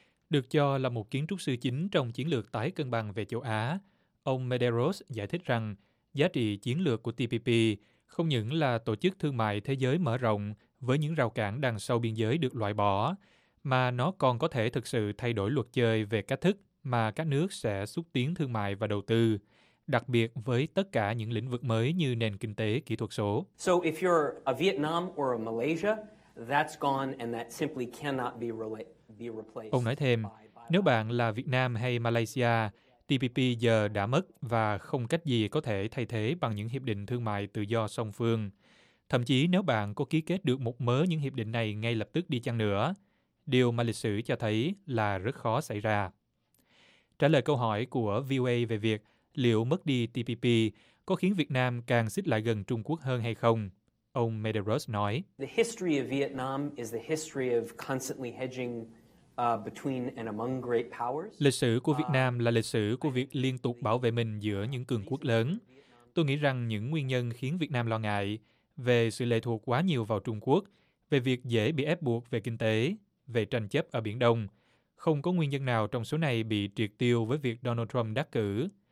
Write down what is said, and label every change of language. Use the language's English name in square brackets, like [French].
[Vietnamese] Được cho là một kiến trúc sư chính trong chiến lược tái cân bằng về châu Á, ông Medeiros giải thích rằng giá trị chiến lược của TPP không những là tổ chức thương mại thế giới mở rộng với những rào cản đằng sau biên giới được loại bỏ, mà nó còn có thể thực sự thay đổi luật chơi về cách thức mà các nước sẽ xúc tiến thương mại và đầu tư, đặc biệt với tất cả những lĩnh vực mới như nền kinh tế kỹ thuật số. [English] So if you're a Vietnam or a Malaysia, that's gone and that simply cannot be replaced. [Vietnamese] Ông nói thêm, nếu bạn là Việt Nam hay Malaysia, TPP giờ đã mất và không cách gì có thể thay thế bằng những hiệp định thương mại tự do song phương. Thậm chí nếu bạn có ký kết được một mớ những hiệp định này ngay lập tức đi chăng nữa, điều mà lịch sử cho thấy là rất khó xảy ra. Trả lời câu hỏi của VOA về việc liệu mất đi TPP có khiến Việt Nam càng xích lại gần Trung Quốc hơn hay không? Ông Medeiros nói, [English] the history of Vietnam is the history of constantly hedging between and among great powers. [Vietnamese] Lịch sử của Việt Nam là lịch sử của việc liên tục bảo vệ mình giữa những cường quốc lớn. Tôi nghĩ rằng những nguyên nhân khiến Việt Nam lo ngại về sự lệ thuộc quá nhiều vào Trung Quốc, về việc dễ bị ép buộc về kinh tế, về tranh chấp ở Biển Đông. Không có nguyên nhân nào trong số này bị triệt tiêu với việc Donald Trump đắc cử.